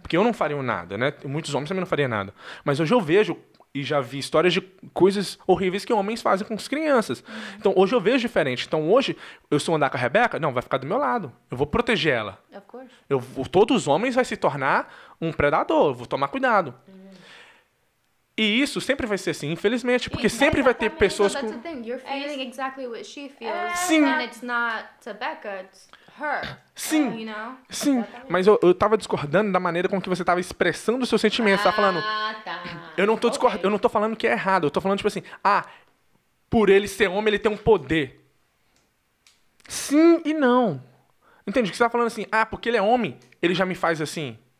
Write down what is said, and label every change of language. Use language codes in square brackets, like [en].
[pt] Porque eu não faria nada, né? Muitos homens também não fariam nada. Mas hoje eu vejo e já vi histórias de coisas horríveis que homens fazem com as crianças. Uhum. Então hoje eu vejo diferente. Então hoje, eu sou andar com a Rebeca, não, vai ficar do meu lado. Eu vou proteger ela. [en] Of course. [pt] Todos os homens vão se tornar um predador. Eu vou tomar cuidado. Uhum. E isso sempre vai ser assim, infelizmente. Porque e, sempre vai ter pessoas com... [en] You're feeling exactly what she feels. [pt] Sim. [en] And it's not Rebecca, it's her. [pt] Sim. [en] You know? [pt] Sim. Mas eu tava discordando da maneira como que você tava expressando os seus sentimentos. Tava falando... Eu não tô discordando, eu não tô falando que é errado. Eu tô falando, tipo assim, por ele ser homem, ele tem um poder. Sim e não. Entende? Que você tá falando assim, porque ele é homem, ele já me faz assim.